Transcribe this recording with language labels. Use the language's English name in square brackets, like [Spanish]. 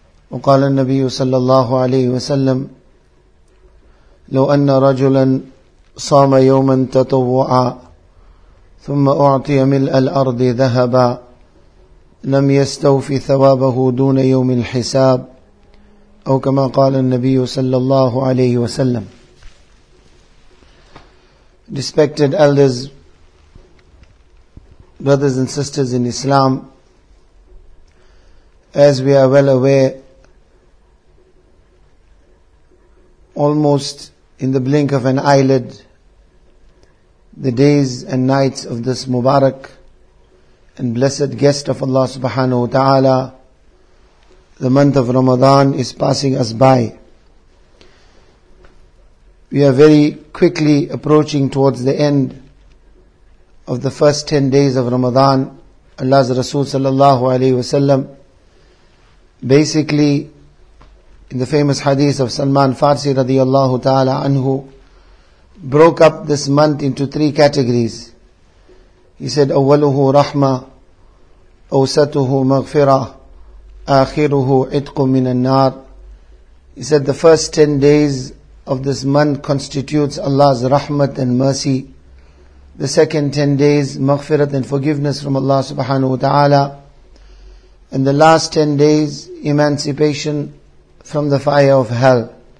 [Arabic] وقال النبي صلى الله عليه وسلم: لو أن رجلا صام يوما تطوعا ثم أعطي ملء الأرض ذهبا لم يستوفي ثوابه دون يوم الحساب، أو كما قال النبي صلى الله عليه وسلم. [English] Respected elders, brothers and sisters in Islam, as we are well aware, almost in the blink of an eyelid, the days and nights of this Mubarak and blessed guest of Allah subhanahu wa ta'ala, the month of Ramadan, is passing us by. We are very quickly approaching towards the end of the first 10 days of Ramadan. Allah's Rasul sallallahu alayhi wa sallam, basically in the famous hadith of Salman Farsi radiyallahu ta'ala anhu, broke up this month into three categories. He said, [Arabic] awwaluhu rahma, أَوْسَتُهُ مَغْفِرَةٌ آخِرُهُ عِتْقٌ مِنَ النَّارِ. [English] He said the first 10 days of this month constitutes Allah's rahmat and mercy. The second 10 days, maghfirat and forgiveness from Allah subhanahu wa ta'ala. And the last 10 days, emancipation from the fire of hell.